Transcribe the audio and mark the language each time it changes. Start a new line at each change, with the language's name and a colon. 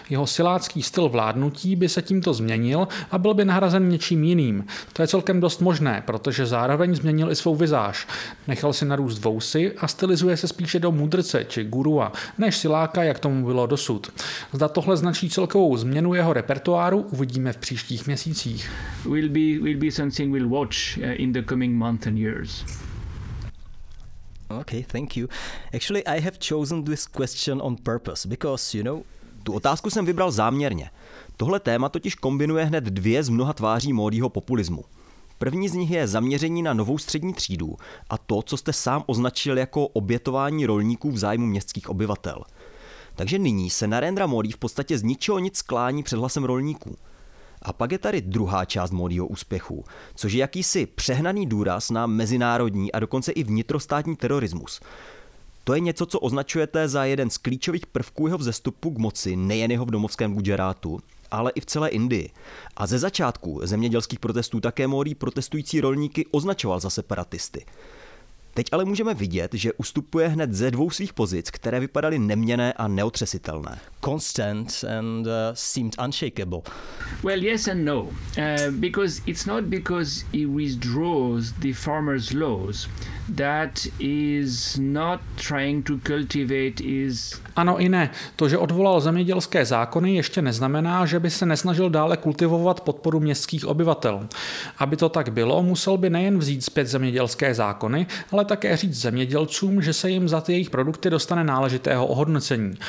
Czech: Jeho silácký styl vládnutí by se tímto změnil a byl by nahrazen něčím jiným. To je celkem dost možné, protože zároveň změnil i svou vizáž. Nechal si narůst vousy a stylizuje se spíše do mudrce či gurua, než siláka, jak tomu bylo dosud. Zda tohle značí celkovou změnu jeho repertoáru, uvidíme v příštích měsících.
English: Will be something we'll watch in the coming months and years. Okay, thank you. Actually, I have chosen this question on purpose, because, you know...
Czech: Tu otázku jsem vybral záměrně. Tohle téma totiž kombinuje hned dvě z mnoha tváří módního populismu. První z nich je zaměření na novou střední třídu a to, co jste sám označil jako obětování rolníků v zájmu městských obyvatel. Takže nyní se Narendra Modi v podstatě z ničeho nic sklání před hlasem rolníků. A pak je tady druhá část Modiho úspěchu, což je jakýsi přehnaný důraz na mezinárodní a dokonce i vnitrostátní terorismus. To je něco, co označujete za jeden z klíčových prvků jeho vzestupu k moci nejen jeho v domovském Gujarátu, ale i v celé Indii. A ze začátku zemědělských protestů také Modi protestující rolníky označoval za separatisty. Teď ale můžeme vidět, že ustupuje hned ze dvou svých pozic, které vypadaly neměnné a neotřesitelné.
English: Constant and seemed unshakable. Well, yes and no. Because it's not because he withdraws the farmers' laws that is not trying to cultivate his...
Czech: Ano i ne. To, že odvolal zemědělské zákony, ještě neznamená, že by se nesnažil dále kultivovat podporu městských obyvatel. Aby to tak bylo, musel by nejen vzít zpět zemědělské zákony, ale také říct zemědělcům, že se jim za ty jejich produkty dostane náležitého ohodnocení.